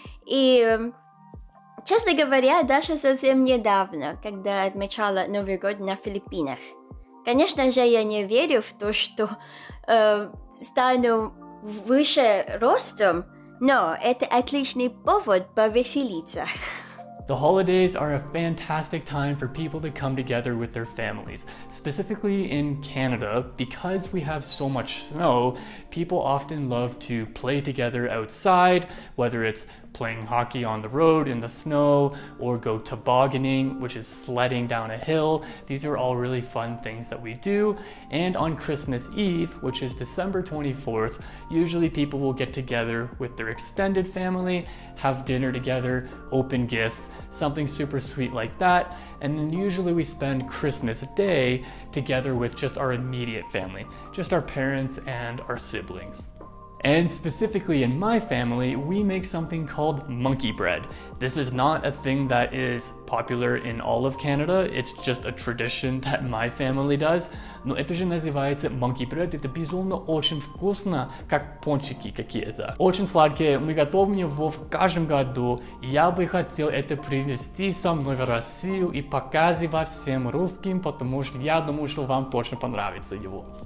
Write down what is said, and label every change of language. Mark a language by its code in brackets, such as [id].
[ru] И, честно говоря, даже совсем недавно, когда отмечала Новый год на Филиппинах. Конечно же, я не верю в то, что стану выше ростом, но это отличный повод повеселиться. [en] The holidays are a fantastic time for people to come together with their families. Specifically in Canada, because we have so much snow, people often love to play together outside, whether it's playing hockey on the road in the snow, or go tobogganing, which is sledding down a hill. These are all really fun things that we do. And on Christmas Eve, which is December 24th, usually people will get together with their extended family, have dinner together, open gifts, something super sweet like that. And then usually we spend Christmas Day together with just our immediate family, just our parents and our siblings. And specifically in my family, we make something called monkey bread. This is not a thing that is popular in all of Canada, it's just a tradition that my family does. [ru] Но это же называется monkey bread, это безумно очень вкусно, как пончики какие-то. Очень сладкие, мы готовим его в каждом году. Я бы хотел это привезти со мной в Россию и показывать всем русским, потому что я думаю, что вам точно понравится его.